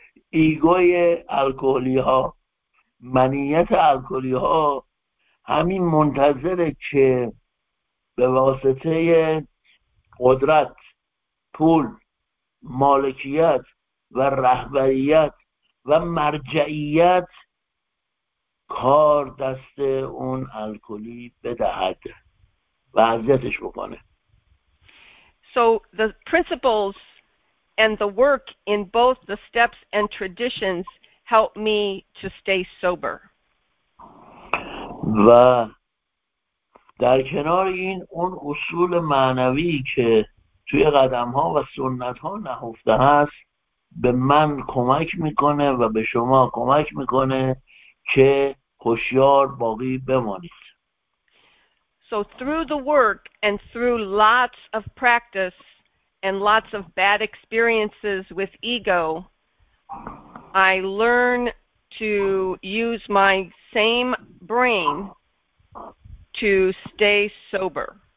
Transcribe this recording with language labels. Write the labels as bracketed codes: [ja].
[fa] ایگوی الکلی ها، منیت الکلی ها همین منتظره که به واسطه قدرت، پول، مالکیت و رهبریت و مرجعیت کار دست اون الکلی بدهد و عزتش بکنه. [en] So the principles and the work in both the steps and traditions help me to stay sober. [fa] و در کنار این اون اصول معنوی که توی قدم ها و سنت ها نهفته هست به من کمک میکنه و به شما کمک میکنه که هوشیار باقی بمانید. [en] So through the work and through lots of practice and lots of bad experiences with ego, I learn to use my same brain to stay sober.